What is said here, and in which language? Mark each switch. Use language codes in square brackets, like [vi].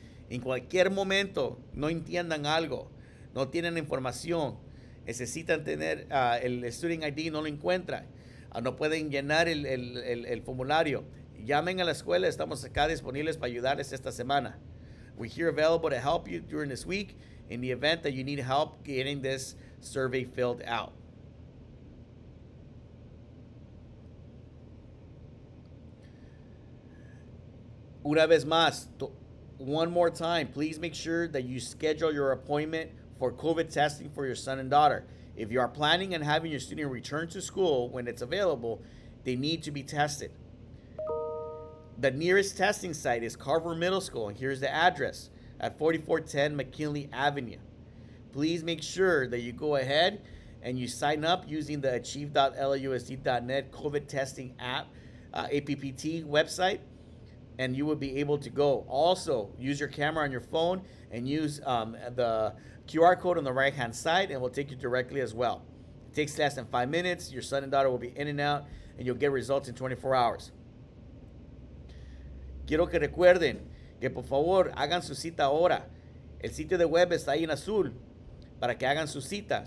[es] En cualquier momento no entiendan algo, no tienen información, necesitan tener el Student ID, no lo encuentran, no pueden llenar el formulario, llamen a la escuela, estamos acá disponibles para ayudarles esta semana. [en] We're here available to help you during this week in the event that you need help getting this survey filled out. [es] Una vez más, [en] one more time, please make sure that you schedule your appointment for COVID testing for your son and daughter. If you are planning on having your student return to school when it's available, they need to be tested. The nearest testing site is Carver Middle School, and here's the address, at 4410 McKinley Avenue. Please make sure that you go ahead and you sign up using the achieve.lausd.net COVID testing app, APPT website, and you will be able to go. Also, use your camera on your phone and use the QR code on the right-hand side, and we'll take you directly as well. It takes less than 5 minutes. Your son and daughter will be in and out, and you'll get results in 24 hours. [es] Quiero que recuerden que, por favor, hagan su cita ahora. El sitio de web está ahí en azul para que hagan su cita.